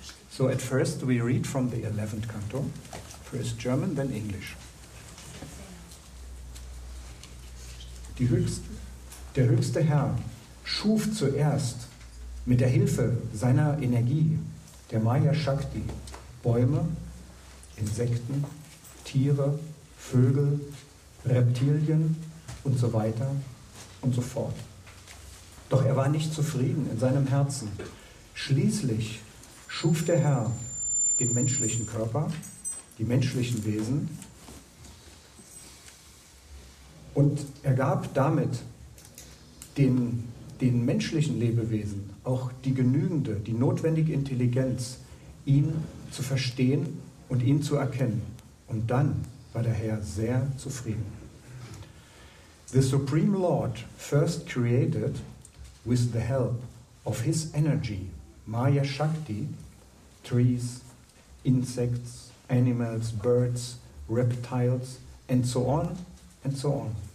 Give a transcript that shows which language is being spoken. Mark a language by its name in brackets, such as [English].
[English] So at first we read from the 11th canto, first German, then English. [German] Der höchste Herr schuf zuerst mit der Hilfe seiner Energie, der Maya Shakti, Bäume, Insekten, Tiere, Vögel, Reptilien und so weiter und so fort. Doch er war nicht zufrieden in seinem Herzen. Schließlich schuf der Herr den menschlichen Körper, die menschlichen Wesen, und er gab damit den menschlichen Lebewesen auch die genügende, die notwendige Intelligenz, ihn zu verstehen und ihn zu erkennen. Und dann war der Herr sehr zufrieden. [English] The Supreme Lord first created, with the help of his energy, Maya Shakti, trees, insects, animals, birds, reptiles, and so on and so on.